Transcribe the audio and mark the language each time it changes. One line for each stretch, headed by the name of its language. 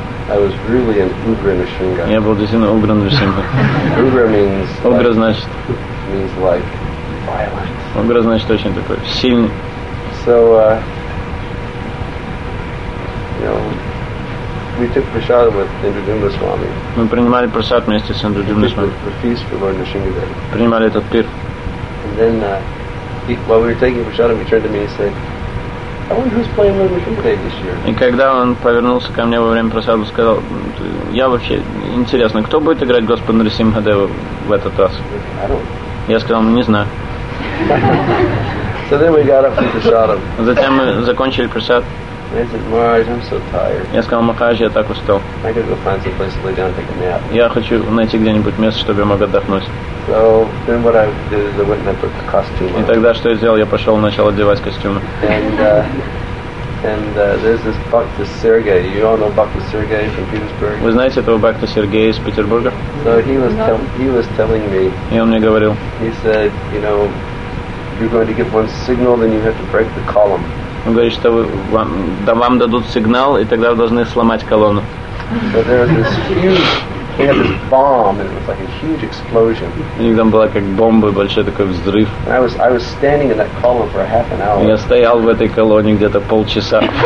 English: I was really an Ugra Nrisimha.
Russian: Я был действительно Ugra Nrisimha.
English: Ugra means
Russian: Ugra, значит
English: means like violent.
Russian: Мудро значит очень такой сильный.
English: So we took prasad with Indradyumna Swami.
Russian: Мы принимали прасад вместе с Индрадюмной Свами.
English: For feast for Lord Nrsimhadeva.
Russian: Принимали этот пир.
English: And then while we were taking prasad, he turned to me and said, "I wonder who's playing Lord Nrsimhadeva this year."
Russian: И когда он повернулся ко мне во время прасада, сказал, "Я вообще интересно, кто будет играть Господа Нрсимхадеву в этот раз?"
English: I don't.
Russian: Я сказал, "Не знаю."
English: So then we got up with prasadam.
Russian: Затем мы закончили прасад.
English: I said, "Maharaj, I'm so tired."
Russian: Я сказал, Махарадж, я так устал.
English: I gotta go find some place to lay down and take a nap.
Russian: Я хочу найти где-нибудь место, чтобы я мог отдохнуть.
English: So then what I did is I went and I put the costume on.
Russian: И тогда что я сделал? Я пошел и начал одевать костюмы.
English: And there's this Bhakta Sergei. You all know Bhakta Sergei from Petersburg.
Russian: Вы знаете этого Бхакта Сергея из Петербурга?
English: So he was telling me.
Russian: И он мне говорил.
English: He said, you know, you're going to give one signal, then you have to break the column.
Russian: Он говорит, что вам дадут сигнал, и тогда вы должны сломать колонну. У них там была как бомба, большой такой взрыв. Я стоял в этой колонне где-то полчаса.